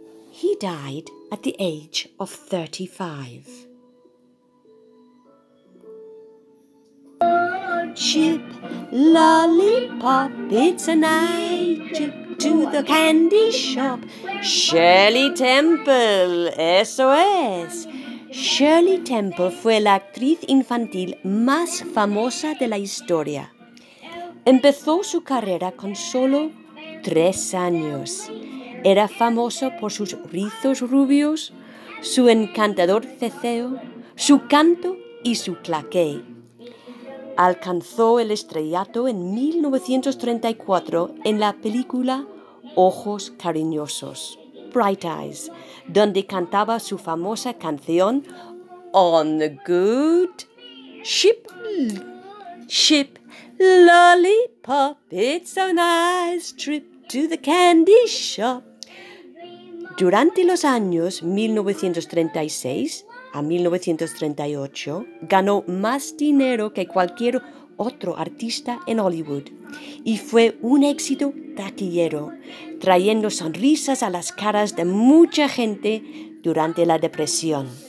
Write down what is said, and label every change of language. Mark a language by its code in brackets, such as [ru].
[en] He died at the age of 35. Chip, lollipop, it's a night trip to the candy shop. Shirley Temple, SOS. [es] Shirley Temple fue la actriz infantil más famosa de la historia. Empezó su carrera con solo 3 años. Era famosa por sus rizos rubios, su encantador ceceo, su canto y su claqué. Alcanzó el estrellato en 1934 en la película Ojos Cariñosos, Bright Eyes, donde cantaba su famosa canción On the Good Ship. [en] Ship, lollipop, it's a nice trip to the candy shop. [es] Durante los años 1936 a 1938, ganó más dinero que cualquier otro artista en Hollywood y fue un éxito taquillero, trayendo sonrisas a las caras de mucha gente durante la depresión.